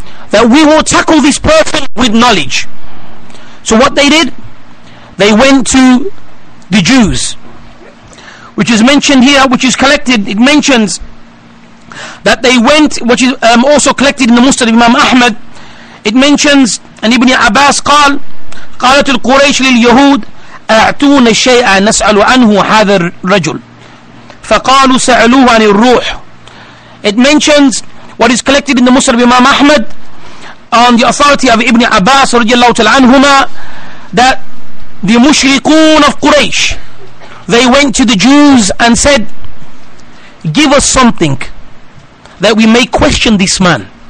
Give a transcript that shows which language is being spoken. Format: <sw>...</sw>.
<en>That we will tackle this person with knowledge. So what they did? They went to the Jews. Which is mentioned here, which is collected, it mentions that they went, which is also collected in the Musnad of Imam Ahmad. It mentions, and Ibn Abbas</en> <ar>قال قالت القريش لليهود أعطونا الشيء نسأل عنه هذا الرجل فقالوا سألوه عن الروح.</ar> <en>It mentions what is collected in the Musnad of Imam Ahmad on the authority of Ibn Abbas</en> <ar>رضي الله تعالى عنهما</ar> <en>that the mushrikun of Quraysh, they went to the Jews and said, give us something that we may question this man.</en>